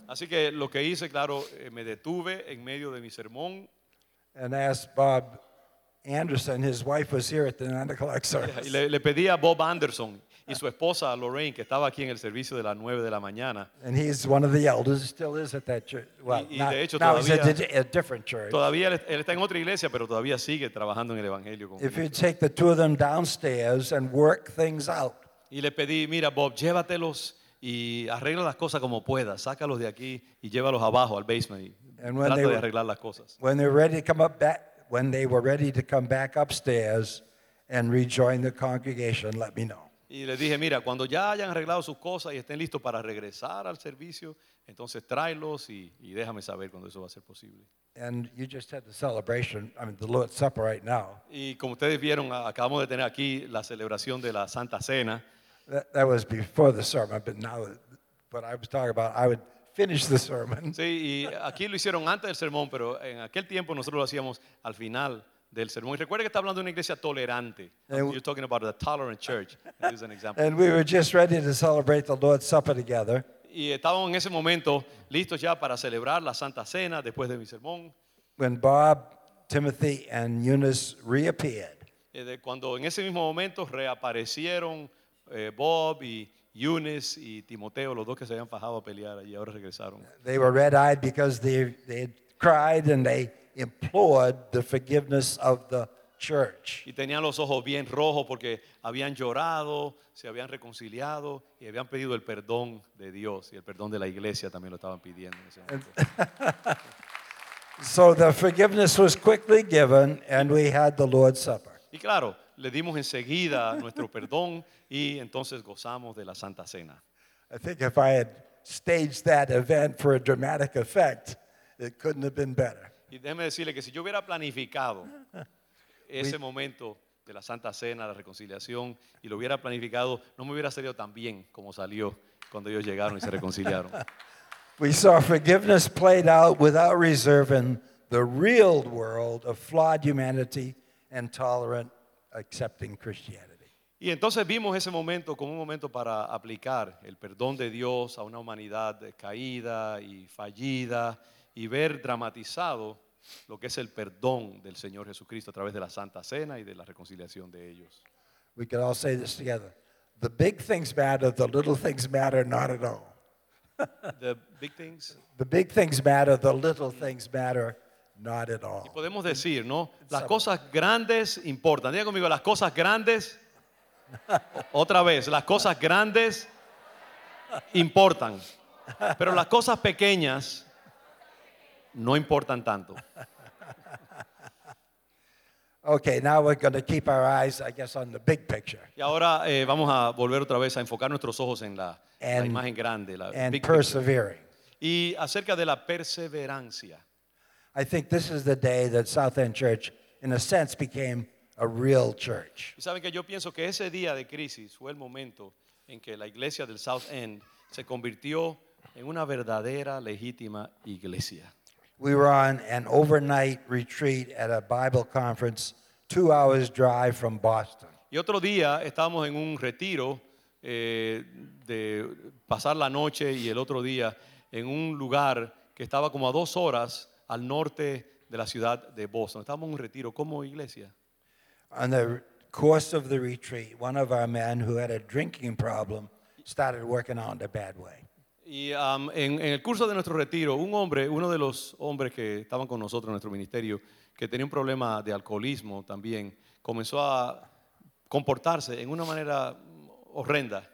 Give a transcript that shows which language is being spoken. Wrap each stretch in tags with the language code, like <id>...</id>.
<es>Así que lo que hice, claro, me detuve en medio de mi sermón.</es> <en>And asked Bob, Anderson, his wife was here at the 9 o'clock service.</en> <es>Y le pedí a Bob Anderson y su esposa Lorraine que estaba aquí en el servicio de las 9 de la mañana.</es> <en>And he's one of the elders, still is at that church. Well,</en> <es>y de hecho,</es> <en>now</en> <es>todavía,</es> <en>he's at a different church.</en> <es>Todavía él está en otra iglesia, pero todavía sigue trabajando en el evangelio con.</es> <en>If you take the two of them downstairs and work things out.</en> <es>Y le pedí, mira, Bob, llévatelos y arregla las cosas como puedas. Sácalos de aquí y llévalos abajo al basement y trata de arreglar las cosas.</es> <en>When they're ready to come up back. When they were ready to come back upstairs and rejoin the congregation, let me know.</en> <es>Y le dije, mira, cuando ya hayan arreglado sus cosas y estén listos para regresar al servicio, entonces tráelos y déjame saber cuando eso va a ser posible.</es> <en>And you just had the celebration, I mean, the Lord's Supper right now.</en> <es>Y como ustedes vieron, acabamos de tener aquí la celebración de la Santa Cena.</es> <en>That was before the sermon, but now what I was talking about, I would finish the sermon.</en> <es>Sí, y aquí lo hicieron antes del sermón, pero en aquel tiempo nosotros lo hacíamos al final del sermón. Y recuerda que está hablando de una iglesia tolerante.</es> <en>You're talking about a tolerant church. This is an example. And we were just ready to celebrate the Lord's Supper together.</en> <es>Y estábamos en ese momento listos ya para celebrar la Santa Cena después de mi sermón.</es> <en>When Bob, Timothy, and Eunice reappeared.</en> <es>Cuando en ese mismo momento reaparecieron Bob y Yunes y Timoteo, los dos que se habían fajado a pelear allí, ahora regresaron.</es> <en>They were red-eyed because they had cried and they implored the forgiveness of the church.</en> <es>Y tenían los ojos bien rojos porque habían llorado, se habían reconciliado y habían pedido el perdón de Dios y el perdón de la iglesia también lo estaban pidiendo.</es> <en>So the forgiveness was quickly given and we had the Lord's Supper.</en> <es>Y claro, le dimos enseguida nuestro perdón y entonces gozamos de la Santa Cena.</es> <en>I think if I had staged that event for a dramatic effect, it couldn't have been better.</en> <es>Y déjeme decirle que si yo hubiera planificado ese momento de la Santa Cena, la reconciliación, y lo hubiera planificado, no me hubiera salido tan bien como salió cuando ellos llegaron y se reconciliaron.</es> <en>We saw forgiveness played out without reserving the real world of flawed humanity and tolerant accepting Christianity.</en> <es>Y entonces vimos ese momento como un momento para aplicar el perdón de Dios a una humanidad caída y fallida y ver dramatizado lo que es el perdón del Señor Jesucristo a través de la Santa Cena y de la reconciliación de ellos.</es> <en>We could all say this together. The big things matter, the little things matter not at all. The big things? The big things matter, the little things matter not at all.</en> <es>Y podemos decir, ¿no? Las cosas grandes importan. Diga conmigo, las cosas grandes. Otra vez, las cosas grandes importan. Pero las cosas pequeñas no importan tanto.</es> <en>Okay, now we're going to keep our eyes, I guess, on the big picture.</en> <es>Y ahora vamos a volver otra vez a enfocar nuestros ojos en la imagen grande, la</es> <en>and persevering.</en> <es>Y acerca de la perseverancia.</es> <en>I think this is the day that South End Church, in a sense, became a real church.</en> <es>¿Saben que yo pienso que ese día de crisis fue el momento en que la iglesia del South End se convirtió en una verdadera, legítima iglesia?</es> <en>We were on an overnight retreat at a Bible conference 2 hours drive from Boston.</en> <es>Y otro día estábamos en un retiro de pasar la noche y el otro día en un lugar que estaba como a 2 horas al norte de la ciudad de Boston. Estábamos en un retiro como iglesia.</es> <en>On the course of the retreat, one of our men who had a drinking problem started working out in a bad way.</en> <es>Y en el curso de nuestro retiro, un hombre, uno de los hombres que estaban con nosotros en nuestro ministerio, que tenía un problema de alcoholismo también, comenzó a comportarse en una manera horrenda.</es>